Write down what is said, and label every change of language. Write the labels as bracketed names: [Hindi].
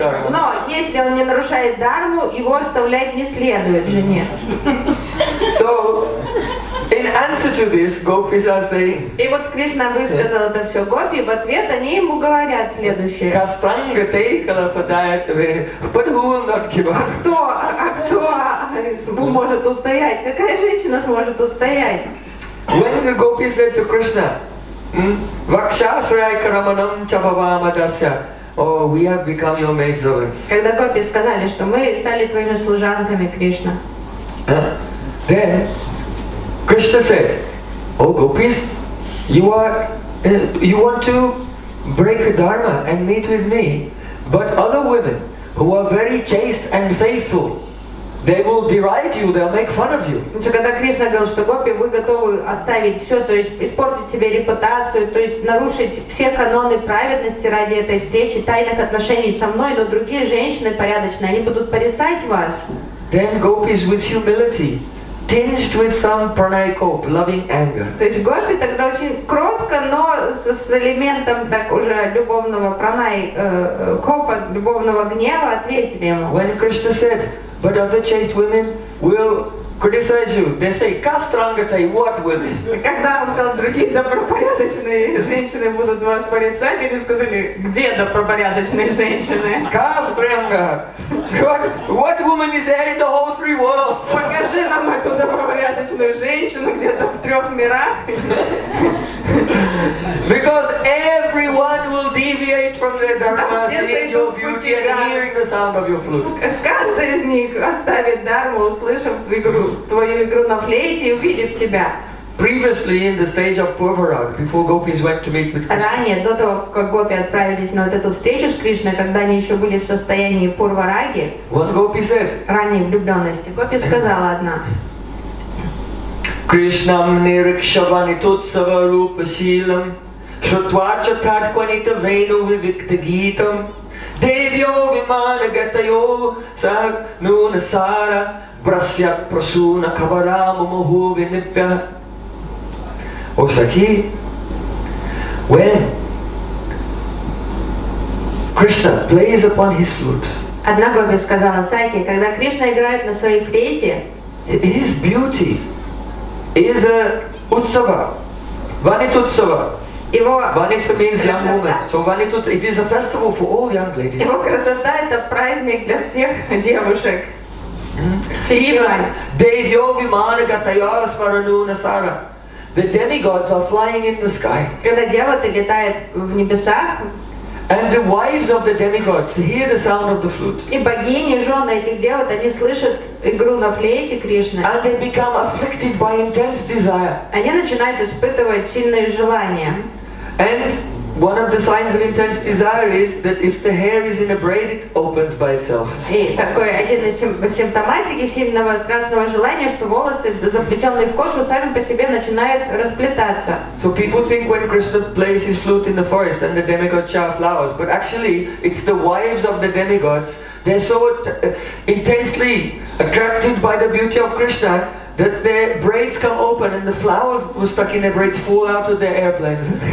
[Russian] Но если он не нарушает дарму, его оставлять не следует жене. [English] So, in answer to this, gopis are saying. [Russian] И вот Кришна высказал это все гопи, в ответ они ему говорят следующее. [Sanskrit] Кастанга тейкала падает в подгулнаткива. [Russian] А кто может устоять? Какая женщина сможет устоять? [English] When the gopis said to Krishna, [Sanskrit] Vakshasraya karamanam chabhavamadasya. [English] Oh, we have become your maidservants. [Russian] Когда гопи сказали, что мы стали твоими служанками, Кришна. [English] Then Krishna said, "Oh gopis, you want to break a dharma and meet with me, but other women who are very chaste and faithful, they will deride you, they'll make fun of you." [Russian] Когда Кришна говорил, что гопи, вы готовы оставить все, то есть испортить себе репутацию, то есть нарушить все каноны праведности ради этой встречи, тайных отношений со мной, но другие женщины порядочные, они будут порицать вас. [English] Then gopis with humility. Tinged with some pranayakop, loving anger. [Russian] То есть гопи тогда очень кротко, но с элементом так уже любовного пранайкопа, любовного гнева ответили ему. [English] When Krishna said, but other chaste women will criticize you, they say, kastrangatai, what women? [Russian] Когда он сказал, другие добропорядочные женщины будут вас порицать, они сказали, где добропорядочные женщины? [English] Kastranga, what woman is there in the whole three worlds? [Russian] Покажи нам эту добропорядочную женщину где-то в трех мирах. [English] Because everyone will deviate from their dharma, seeing your beauty and hearing the sound of your flute. [Russian] Каждый из них оставит дарму, услышав твою игру на флейте и увидев тебя. [English] Previously in the stage of Purvarag, before gopis went to meet with Krishna. [Russian] Ранее до того, как гопи отправились на вот эту встречу с Кришной, когда они еще были в состоянии Пурвараги. [English] One gopi said. [Russian] Ранее влюбленности. Гопи сказала одна. [Sanskrit] Кришнам нирикшаванитутсаварупасилам шутвача таткванита вейну вивиктагитам девьо виманагатайо саг нунасара брасьяк прасуна кавараму муху виниппя. [English] O Sakhi, when Krishna plays upon his flute. [Russian] Одна гопи сказала Сакхи, когда Кришна играет на своей флейте. [English] His beauty is a utsava, vanitutsava. [Russian] Его [English] vanita means young woman. So vanitutsa, it is a festival for all young ladies. [Russian] Его красота это праздник для всех девушек. [English] Even [Sanskrit] Devyo vimana gataya svaranu nasara. [English] The demigods are flying in the sky. [Russian] Когда дьяволы летают в небесах. [English] And the wives of the demigods hear the sound of the flute. [Russian] И богини, жены этих дьяволов, они слышат игру на флейте Кришны. [English] And they become afflicted by intense desire. [Russian] Они начинают испытывать сильные желания. [English] And one of the signs of intense desire is that if the hair is in a braid, it opens by itself. [Russian] И такой один из симптоматики сильного страстного желания, что волосы, заплетенные в косу, сами по себе начинают расплетаться. [English] So people think when Krishna plays his flute in the forest and the demigods shower flowers, but actually it's the wives of the demigods. They're so intensely attracted by the beauty of Krishna that their braids come open and the flowers were stuck in their braids fall out of their airplanes.